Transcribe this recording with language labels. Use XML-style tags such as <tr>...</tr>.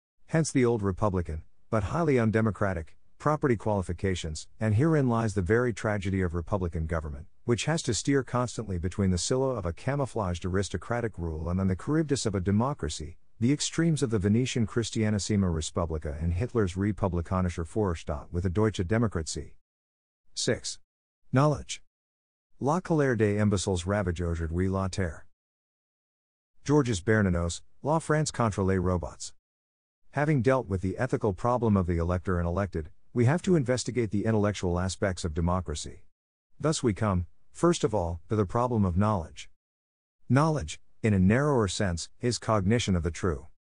<en>Hence the old Republican, but highly undemocratic, property qualifications, and herein lies the very tragedy of Republican government, which has to steer constantly between the Scylla of a camouflaged aristocratic rule and then the Charybdis of a democracy, the extremes of the Venetian Christianissima Respublica and Hitler's Republikanische Vorstaat with a Deutsche Demokratie. 6. Knowledge.</en> <fr>La colère des imbéciles ravage aujourd'hui la terre. Georges Bernanos, La France contre les robots.</fr> <en>Having dealt with the ethical problem of the elector and elected, we have to investigate the intellectual aspects of democracy. Thus we come, first of all, to the problem of knowledge. Knowledge, in a narrower sense, is cognition of the true.</en>